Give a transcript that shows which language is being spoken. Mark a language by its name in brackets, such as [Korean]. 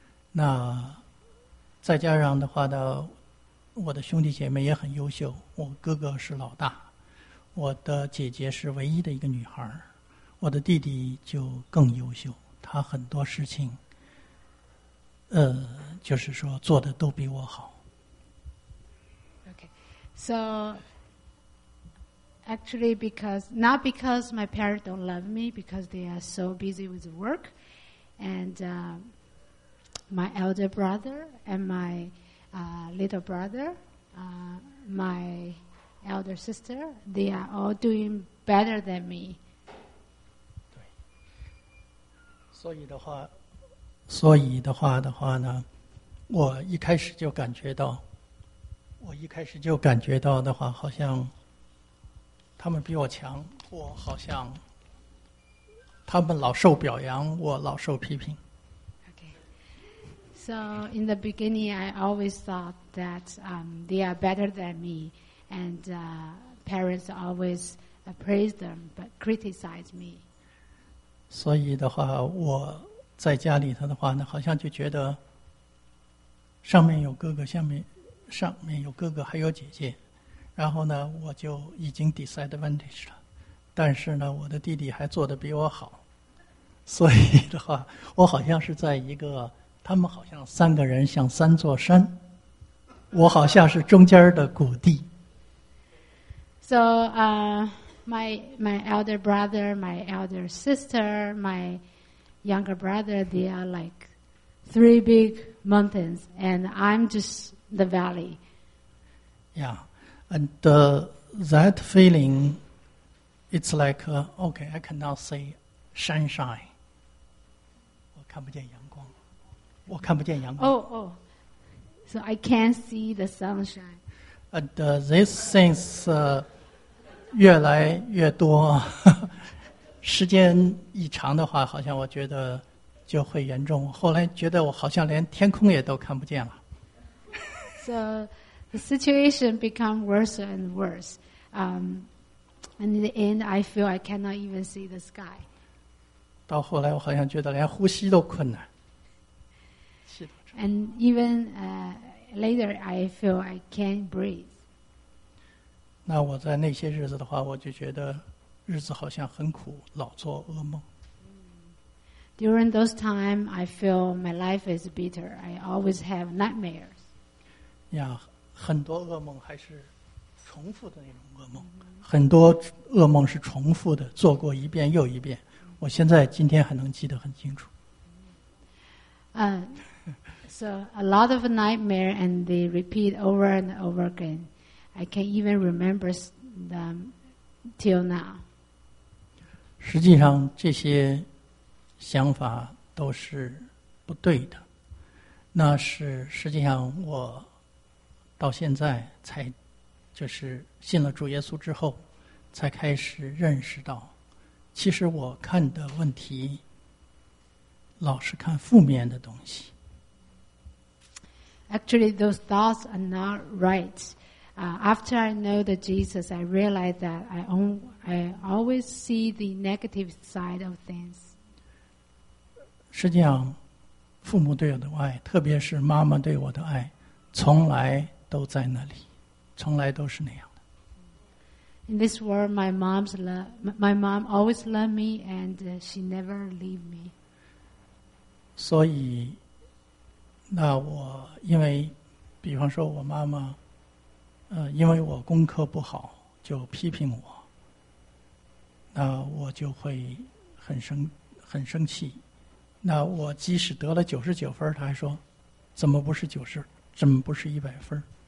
[Chinese] 那再加上的话呢，我的兄弟姐妹也很优秀，我哥哥是老大，我的姐姐是唯一的一个女孩，我的弟弟就更优秀，他很多事情就是说做的都比我好。 [English] Okay, so actually not because my parents don't love me, because they are so busy with work, andMy elder brother and my little brother, my elder sister, they are all doing better than me. [Chinese] 对，所以的话呢，我一开始就感觉到的话，好像他们比我强，我好像他们老受表扬，我老受批评。 [English] So in the beginning, I always thought that they are better than me, and parents always praise them but criticize me. [Chinese] 所以的话，我在家里头的话呢，好像就觉得上面有哥哥，上面有哥哥，还有姐姐，然后呢，我就已经 disadvantage 了。但是呢，我的弟弟还做得比我好，所以的话，我好像是在一个。他们好像三个人像三座山，我好像是中间的谷地。 [English] So, my elder brother, my elder sister, my younger brother, they are like three big mountains, and I'm just the valley. Yeah, and that feeling, it's like okay, I cannot see sunshine. [Chinese] 我看不见阳。我看不见阳光。 [English] So I can't see the sunshine. And these things [Chinese] 越来越多，时间一长的话，好像我觉得就会严重。后来觉得我好像连天空也都看不见了。 [English] So the situation become worse and worse. And in the end, I feel I cannot even see the sky. [Chinese] 到后来，我好像觉得连呼吸都困难。 [English] And even later, I feel I can't breathe. [Chinese] 那我在那些日子的话，我就觉得日子好像很苦，老做噩梦。 [English] During those times, I feel my life is bitter. I always have nightmares. [Chinese] Yeah, 很多噩梦还是重复的那种噩梦。很多噩梦是重复的，做过一遍又一遍。我现在今天还能记得很清楚。 [English] So a lot of nightmare and they repeat over and over again. I can even remember them till now. [Chinese] 实际上这些想法都是不对的。那是实际上我到现在才就是信了主耶稣之后才开始认识到其实我看的问题老是看负面的东西。 [English] Actually, those thoughts are not right. After I know the Jesus, I realize that I always see the negative side of things. [Chinese] 实际上，父母对我的爱，特别是妈妈对我的爱，从来都在那里，从来都是那样的。 [English] In this world, my mom always loved me, and she never leave me. [Chinese] 所以。那我因为比方说我妈妈因为我功课不好就批评我那我就会很生气那我即使得了99分她还说怎么不是90怎么不是100分